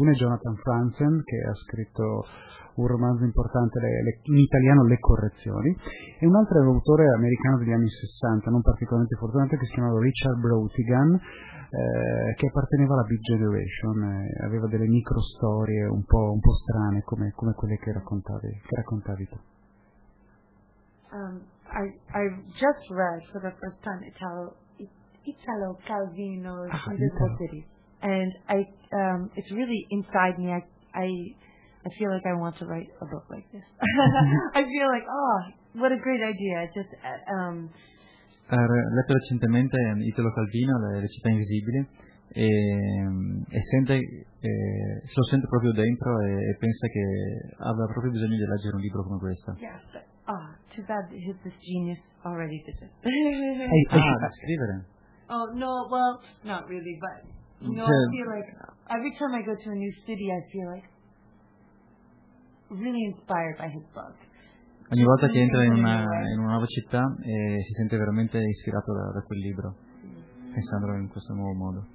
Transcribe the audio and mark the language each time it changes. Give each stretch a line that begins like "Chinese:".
Italian: Uno è Jonathan Franzen, che ha scritto un romanzo importante, in italiano Le correzioni, e un altro è un autore americano degli anni 60, non particolarmente fortunato, che si chiamava Richard Brautigan, che apparteneva alla Big Generation, aveva delle micro storie un po' strane come quelle che raccontavi tu.
English: I just read for the first time Italo Calvino's Wonderful City, and it's really inside me. I feel like I want to write a book like this. I feel like, oh, what a great idea. Just
Italian: letto recentemente Italo Calvino, Le città invisibili, se lo sente proprio dentro e pensa che aveva proprio bisogno di leggere un libro come questo.
English: Yes. Oh, too bad that he's this genius already, did it?
Italian: scrivere?
English: Oh, no, well, not really, but, I feel like, every time I go to a new city, I feel like, really inspired by his book.
Italian: Ogni volta che entra in una nuova città, si sente veramente ispirato da quel libro, pensandolo in questo nuovo modo.